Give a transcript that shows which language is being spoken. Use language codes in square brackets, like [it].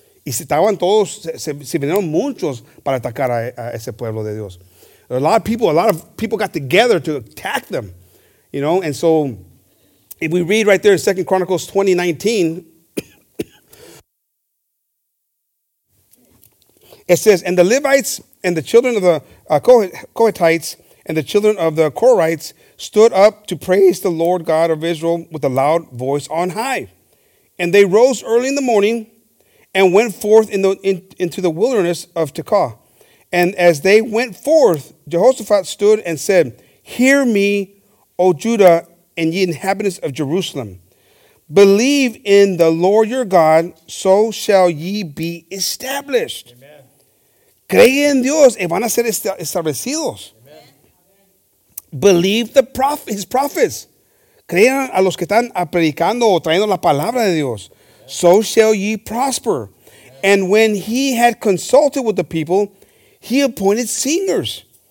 [es] Y estaban todos, se vinieron muchos para atacar a ese pueblo de Dios. [en] A lot of people got together to attack them, you know. And so, if we read right there in 2 Chronicles 20:19, it says, and the Levites and the children of the Kohathites and the children of the Korahites stood up to praise the Lord God of Israel with a loud voice on high. And they rose early in the morning and went forth into the wilderness of Tekoa. And as they went forth, Jehoshaphat stood and said, hear me, O Judah, and ye inhabitants of Jerusalem. Believe in the Lord your God, so shall ye be established. Amen. [es] Cree en Dios y van a ser establecidos. Amen. [en] Believe the his prophets. [es] Crean a los que están predicando o trayendo la palabra de Dios. [en] Amen. So shall ye prosper. Amen. And when he had consulted with the people, he appointed singers.